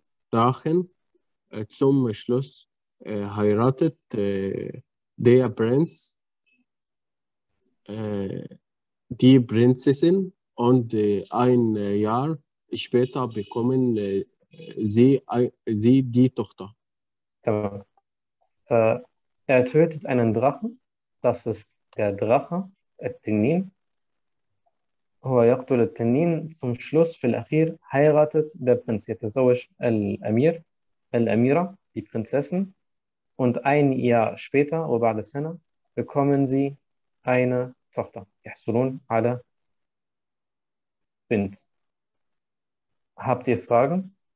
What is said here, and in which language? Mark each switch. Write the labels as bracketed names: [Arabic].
[German] Drachen zum Schluss heiratet der Prinz die Prinzessin und ein Jahr später bekommen sie die Tochter. تمام. Er tötet einen Drachen. Das ist der Drache, التنين. [Arabic] هو يقتل التنين. [German] Zum Schluss, [Arabic] في الأخير, [German] heiratet der Prinz. [Arabic] يتزوج الأمير, الأميرة, [German] die Prinzessin. Und ein Jahr später, [Arabic] وبعد سنة, [German] bekommen sie eine Tochter. [Arabic] يحصلون على بنت. [German] Habt ihr Fragen?